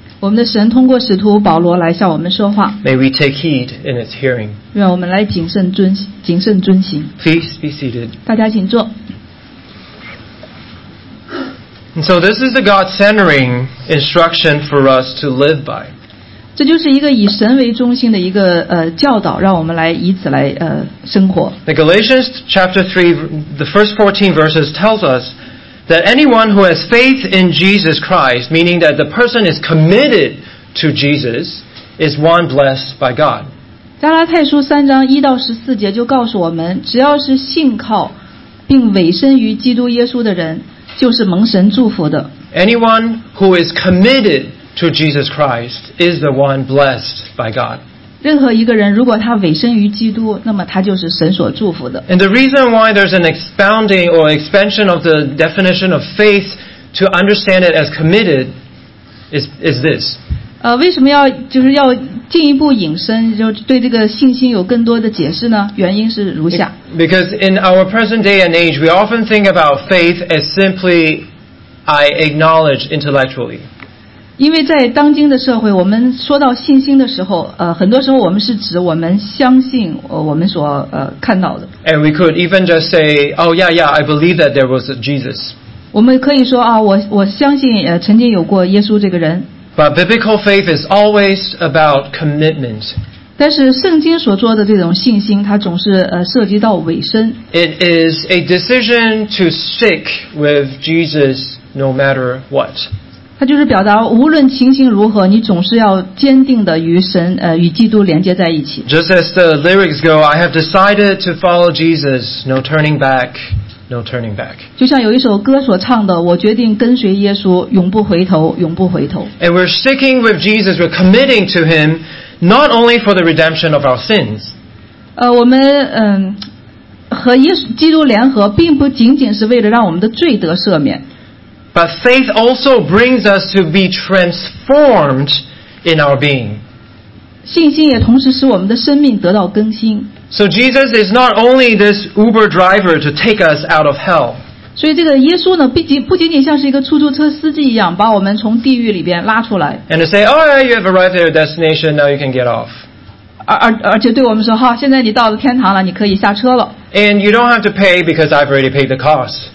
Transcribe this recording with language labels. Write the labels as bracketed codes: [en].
[zh] 我们的神通过使徒保罗来向我们说话。 [en] May we take heed in its hearing. [zh] 让我们来谨慎遵行。 [en] Please be seated. [zh] 大家请坐。 [en] And so this is the God-centering instruction for us to live by. [zh] 这就是一个以神为中心的一个教导，让我们来以此来生活。 [en] The Galatians chapter 3, the first 14 verses tells us. That anyone who has faith in Jesus Christ, meaning that the person is committed to Jesus, is one blessed by God. [zh] 加拉太书三章一到十四节就告诉我们，只要是信靠并委身于基督耶稣的人，就是蒙神祝福的。 [en] Anyone who is committed to Jesus Christ is the one blessed by God. [zh] 任何一个人如果他委身于基督，那么他就是神所祝福的。 [en] And the reason why there's an expounding or expansion of the definition of faith to understand it as committed is this. [zh] 为什么要就是要进一步引申，就对这个信心有更多的解释呢？原因是如下。 [en] Because in our present day and age, we often think about faith as simply I acknowledge intellectually. [zh] 因为在当今的社会，我们说到信心的时候，很多时候我们是指我们相信，我们所看到的。 [en] And we could even just say, "Oh, yeah, yeah, I believe that there was a Jesus." [zh] 我们可以说啊，我相信曾经有过耶稣这个人。 [en] But biblical faith is always about commitment. [zh] 但是圣经所做的这种信心，它总是涉及到委身。 [en] It is a decision to stick with Jesus no matter what. [zh] 它就是表达无论情形如何，你总是要坚定的与神与基督连接在一起。 [en] Just as the lyrics go, I have decided to follow Jesus, no turning back, no turning back. [zh] 就像有一首歌所唱的，我决定跟随耶稣，永不回头，永不回头。 [en] And we're sticking with Jesus, we're committing to him, not only for the redemption of our sins. [zh] 我们和耶稣基督联合，并不仅仅是为了让我们的罪得赦免。 [en] But faith also brings us to be transformed in our being. [zh] 信心也同时使我们的生命得到更新。 [en] So Jesus is not only this Uber driver to take us out of hell. [zh] 所以这个耶稣呢, 不仅仅像是一个出租车司机一样, [en] and to say, oh, yeah, you have arrived at your destination, now you can get off. [zh] 而且对我们说, 现在你到了天堂了, [en] and you don't have to pay because I've already paid the cost.